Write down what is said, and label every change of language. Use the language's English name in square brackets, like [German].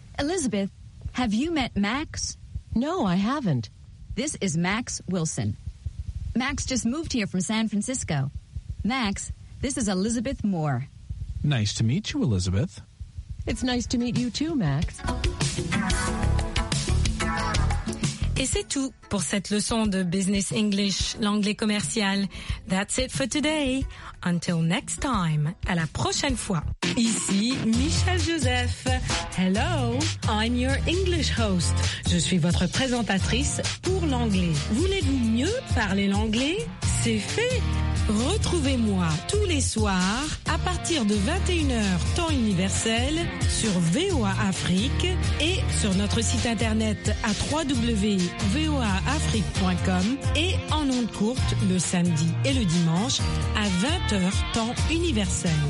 [English] Elizabeth, have you met Max? No, I haven't. This is Max Wilson. Max just moved here from San Francisco. Max, this is Elizabeth Moore. Nice to meet you, Elizabeth. It's nice to meet you too, Max. [French] Et c'est tout pour cette leçon de Business English, l'anglais commercial. [English] That's it for today. Until next time. [French] À la prochaine fois. Ici Michel Joseph. [English] Hello, I'm your English host. [French] Je suis votre présentatrice pour l'anglais. Voulez-vous mieux parler l'anglais? C'est fait. Retrouvez-moi tous les soirs à partir de 21h temps universel sur VOA Afrique et sur notre site internet à www.voaafrique.com et en ondes courtes le samedi et le dimanche à 20h temps universel.